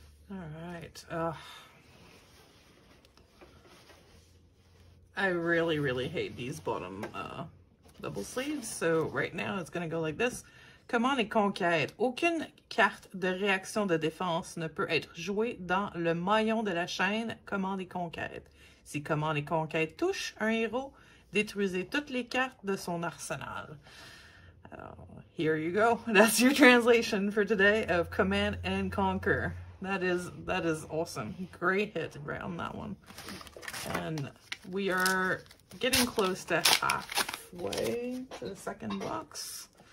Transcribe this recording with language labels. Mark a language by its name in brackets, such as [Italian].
[English] All right. I really, really hate these bottom double sleeves. So right now it's gonna go like this. [French] Command et conquête. Aucune carte de réaction de défense ne peut être jouée dans le maillon de la chaîne Command et conquête. Si Command et conquête touche un héros, détruisez toutes les cartes de son arsenal. [English] Here you go. That's your translation for today of Command and Conquer. That is awesome. Great hit right on that one. And we are getting close to halfway to the second box.